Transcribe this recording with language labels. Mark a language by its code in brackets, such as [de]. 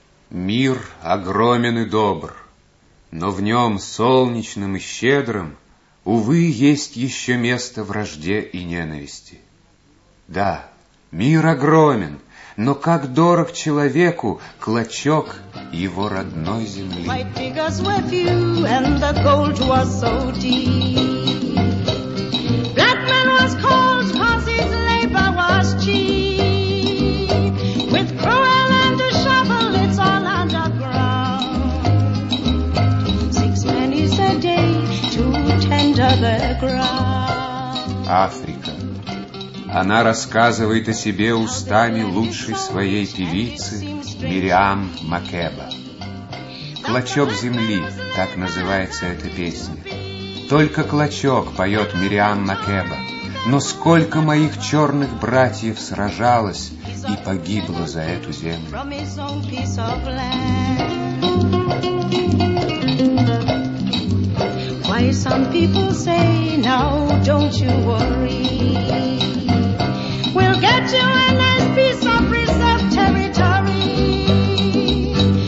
[ru] Мир огромен и добр, но в нем солнечным и щедрым, увы, есть еще место вражде и ненависти. Да, мир огромен, но как дорог человеку клочок его родной земли. [en] My fingers were few, and the gold was so deep. Black man was cold, cause his labor was cheap. With crowbar and a shovel, it's all underground. Six pennies a day to tend the ground. [ru] Африка. Она рассказывает о себе устами лучшей своей певицы Мириам Макеба. «Клочок земли» — так называется эта песня. Только «Клочок» поет Мириам Макеба. Но сколько моих черных братьев сражалось и погибло за эту землю. [en] Why some people say, now don't you worry. We'll get you a nice piece of reserve territory.